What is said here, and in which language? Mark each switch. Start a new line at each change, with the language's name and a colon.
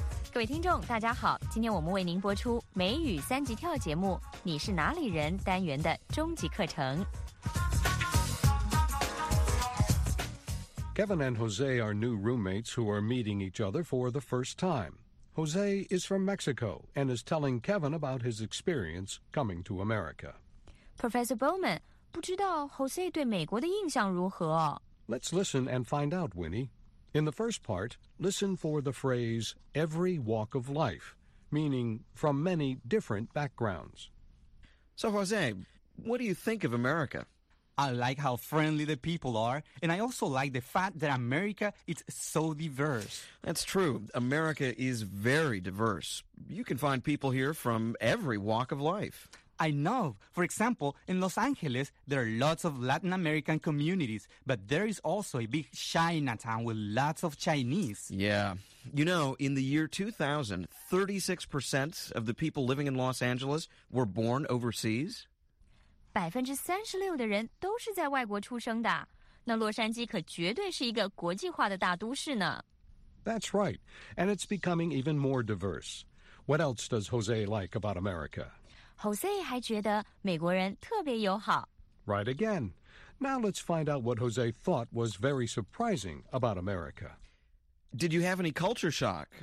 Chinese: 各位听众大家好，今天我们为您播出美语三级跳节目你是哪里人单元的终极课程。
English: Kevin and Jose are new roommates who are meeting each other for the first time. Jose is from Mexico and is telling Kevin about his experience coming to America.
Chinese: Professor Bowman, 不知道 Jose 对美国的印象如何？
English: Let's listen and find out, Winnie. In the first part, listen for the phrase, every walk of life, meaning from many different backgrounds. So Jose, what do you think of America? I like how friendly the people are, and I also like the fact that America is so diverse. That's true. America is very diverse. You can find people here from every walk of life. I know. For example, in Los Angeles, there are lots of Latin American communities, but there is also a big Chinatown with lots of Chinese. Yeah. You know, in the year 2000, 36% of the people living in Los Angeles were born overseas.
Chinese: 36%的人都是在外国出生的，那洛杉矶可绝对是一个国际化的大都市呢。
English: That's right, and it's becoming even more diverse. What else does Jose like about America?
Chinese: Jose 还觉得美国人特别友好。
English: Right again. Now let's find out what Jose thought was very surprising about America. Did you have any culture shock?